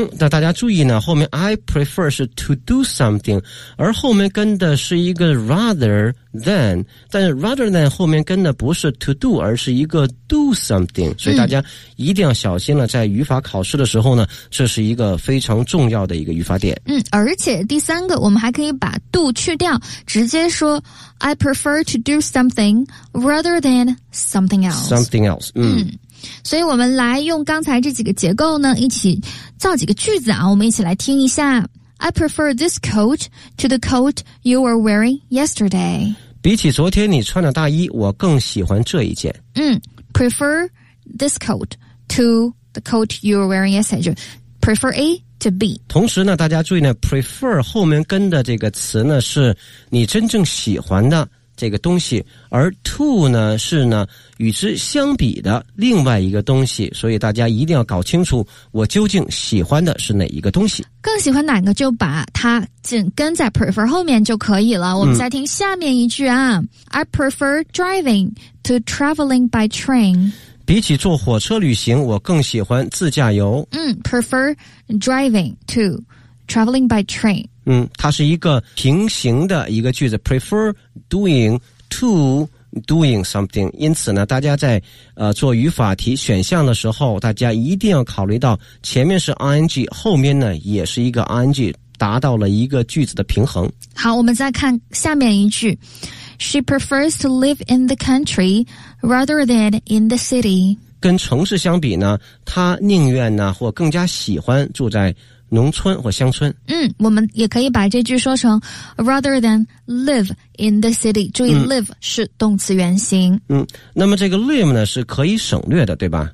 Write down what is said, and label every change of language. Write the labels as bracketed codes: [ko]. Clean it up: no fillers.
[zh] 那大家注意呢，后面 I prefer 是 [en] to do something， [zh] 而后面跟的是一个 [en] rather than， [zh] 但是 rather than 后面跟的不是 to do， 而是一个 do something， 所以大家一定要小心了，在语法考试的时候呢，这是一个非常重要的一个语法点。而且第三个我们还可以把 do 去掉，直接说 [en] I prefer to do something rather than something else。 something else。 [zh] 所以我们来用刚才这几个结构呢一起造几个句子啊，我们一起来听一下。 [en] I prefer this coat to the coat you were wearing yesterday。 [zh] 比起昨天你穿的大衣，我更喜欢这一件。 [en] Prefer this coat to the coat you were wearing yesterday， [zh] 就 [en] prefer A to B。 [zh] 同时呢大家注意呢， prefer 后面跟的这个词呢是你真正喜欢的这个东西，而 to 呢是呢与之相比的另外一个东西，所以大家一定要搞清楚我究竟喜欢的是哪一个东西，更喜欢哪个就把它紧跟在 prefer 后面就可以了。我们再听下面一句啊。 [en] I prefer driving to traveling by train。 [zh] 比起坐火车旅行，我更喜欢自驾游。 [en] Prefer driving to traveling by train。 [zh] 它是一个平行的一个句子， [en] prefer doing to doing something。 [zh] 因此呢大家在做语法题选项的时候，大家一定要考虑到前面是 ing， 后面呢也是一个 ing， 达到了一个句子的平衡。好，我们再看下面一句。 [en] She prefers to live in the country rather than in the city。 [zh] 跟城市相比呢，她宁愿呢或更加喜欢住在农村或乡村。我们也可以把这句说成 [en] rather than live in the city。 [zh] 注意 live 是动词原形。那么这个 live 呢是可以省略的，对吧？